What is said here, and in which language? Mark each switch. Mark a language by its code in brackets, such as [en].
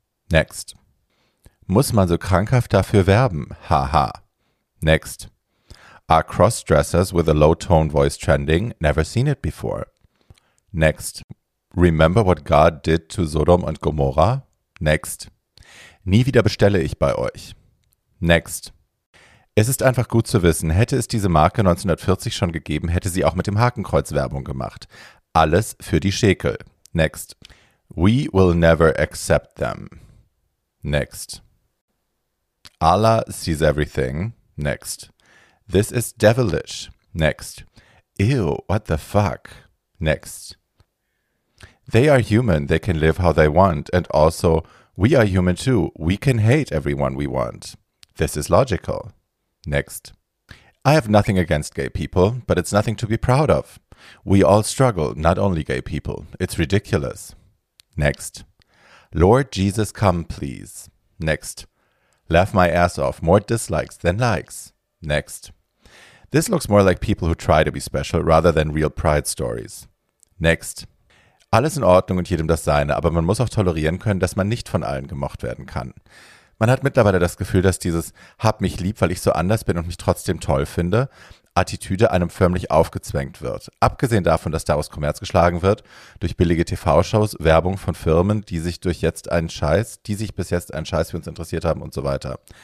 [de] Next. Muss man so krankhaft dafür werben? Haha. Next. [en] Are cross-dressers with a low-tone voice trending? Never seen it before. Next. Remember what God did to Sodom and Gomorrah? [de] Next. Nie wieder bestelle ich bei euch. Next. Es ist einfach gut zu wissen, hätte es diese Marke 1940 schon gegeben, hätte sie auch mit dem Hakenkreuz Werbung gemacht. Alles für die Schäkel. [en] Next. We will never accept them. Next. Allah sees everything. Next. This is devilish. Next. Ew, what the fuck? Next. They are human. They can live how they want. And also, We are human too. We can hate everyone we want. This is logical. Next. I have nothing against gay people, but it's nothing to be proud of. We all struggle, not only gay people. It's ridiculous. Next. Lord Jesus, come, please. Next. Laugh my ass off. More dislikes than likes. Next. This looks more like people who try to be special rather than real pride stories. Next. [de] Alles in Ordnung und jedem das Seine, aber man muss auch tolerieren können, dass man nicht von allen gemocht werden kann. Man hat mittlerweile das Gefühl, dass dieses "hab mich lieb, weil ich so anders bin und mich trotzdem toll finde" Attitüde einem förmlich aufgezwängt wird. Abgesehen davon, dass daraus Kommerz geschlagen wird, durch billige TV-Shows, Werbung von Firmen, die sich bis jetzt einen Scheiß für uns interessiert haben und so weiter.